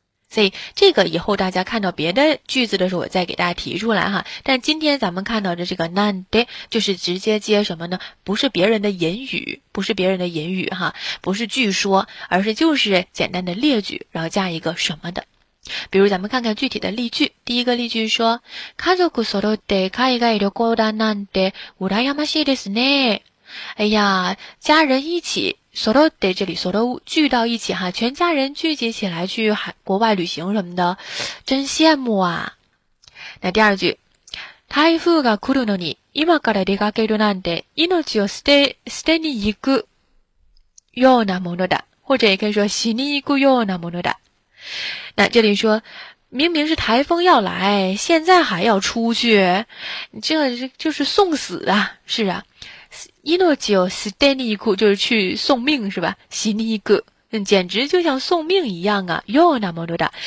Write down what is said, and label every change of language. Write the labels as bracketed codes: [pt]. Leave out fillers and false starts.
[zh] 所以这个以后大家看到别的句子的时候我再给大家提出来哈，但今天咱们看到的这个なんで就是直接接什么呢，不是别人的言语，不是别人的言语哈，不是据说，而是就是简单的列举，然后加一个什么的。比如咱们看看具体的例句。第一个例句说， [ja] 家族揃って海外旅行だなんて羨ましいですね。 [zh] 哎呀，家人一起所有的，这里所有聚到一起哈，全家人聚集起来去国外旅行什么的，真羡慕啊。那第二句， [ja] 台風が来るのに今から出かけるなんて命を捨てに行くようなものだ， [zh] 或者也可以说 [ja] 死に行くようなものだ。 [zh] 那这里说明明是台风要来，现在还要出去，这就是送死啊。是啊， [ja] 命を捨てに行く [zh] 就是去送命是吧，死に行く简直就像送命一样啊，ようなものだ。